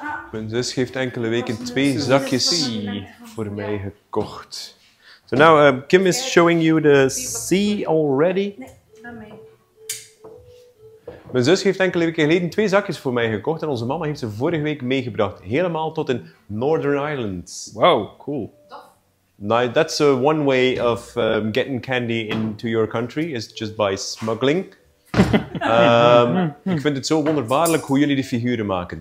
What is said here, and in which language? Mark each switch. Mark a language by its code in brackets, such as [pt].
[nl] Mijn zus heeft enkele weken twee zakjes voor mij gekocht. [en] So now Kim is showing you the sea already. [nl] Mijn zus heeft enkele weken geleden twee zakjes voor mij gekocht en onze mama heeft ze vorige week meegebracht, helemaal tot in Northern Ireland. [en] Wow, cool. Now that's one way of getting candy into your country is just by smuggling. [nl] ik vind het zo wonderbaarlijk hoe jullie de figuren maken.